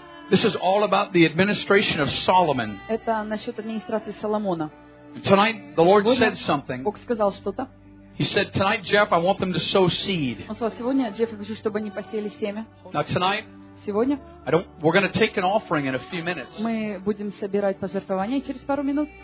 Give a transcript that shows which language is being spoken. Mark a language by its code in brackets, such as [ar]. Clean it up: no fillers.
[en] This is all about the administration of Solomon. [ru] Это насчет администрации Соломона. [en] Tonight, the Lord said something. [ru] Бог сказал что-то. [en] He said, "Tonight, Jeff, I want them to sow seed." [ru] Он сказал, сегодня, Джефф, я хочу, чтобы они посеяли семя. [en] Now tonight. [ru] Сегодня. [en] We're going to take an offering in a few minutes. [ru] Мы будем собирать пожертвования через пару минут.